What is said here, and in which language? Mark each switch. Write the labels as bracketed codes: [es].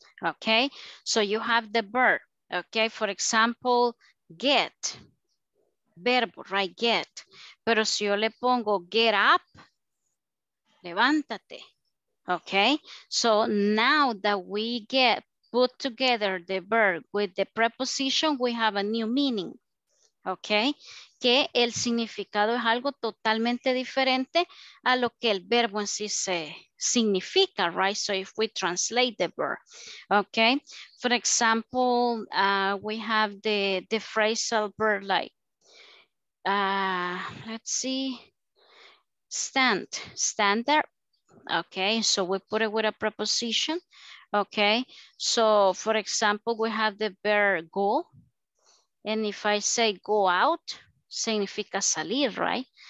[en] Okay? So you have the verb. Okay? For example, get. Verbo, right? Get. [es] Pero si yo le pongo get up, levántate. Okay? [en] So now that we get put together the verb with the preposition, we have a new meaning. Okay? [es] Que el significado es algo totalmente diferente a lo que el verbo en sí se, [en] significa, right? So if we translate the verb, okay? For example, we have the phrasal verb like, let's see, stand there, okay? So we put it with a preposition, okay? So for example, we have the verb go, and if I say go out, [es] significa salir, [en] right?